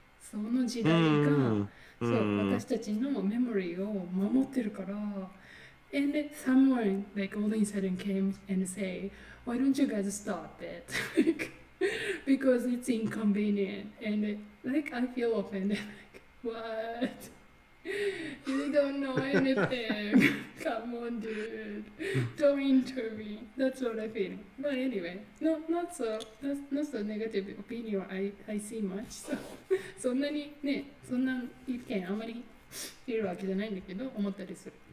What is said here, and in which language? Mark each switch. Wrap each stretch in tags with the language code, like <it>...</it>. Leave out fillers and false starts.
<ja>その時代が、そう、私たちのメモリーを守ってるから。</ja> <en>And someone, like, all of a sudden came and say, why don't you guys stop it? Because it's inconvenient. And, like, I feel offended. Like, what? You don't know anything. Come on, dude. Don't intervene. That's what I feel. But anyway, not so negative opinion I see much.</en> <ja>So, そんなにね、そんな意見あまりいるわけじゃないんだけど、思ったりする。</ja>